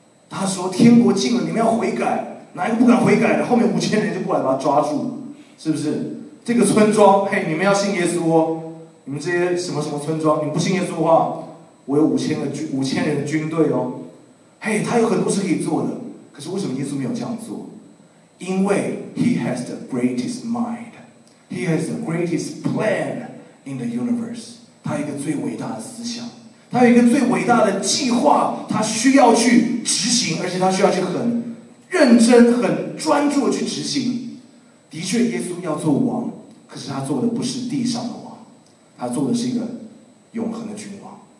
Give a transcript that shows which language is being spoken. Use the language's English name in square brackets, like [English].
[Chinese] 他说天国近了，你们要悔改，哪一个不敢悔改的，后面5000人就过来把他抓住，是不是？这个村庄，嘿，你们要信耶稣哦，你们这些什么什么村庄，你们不信耶稣的话，我有5000人的军队哦，嘿，他有很多事可以做的。可是为什么耶稣没有这样做？因为 [English] He has the greatest mind, He has the greatest plan in the universe. [Chinese] 他有一个最伟大的思想，他有一个最伟大的计划，他需要去执行，而且他需要去很认真、很专注地去执行。的确，耶稣要做王，可是他做的不是地上的王，他做的是一个永恒的君王。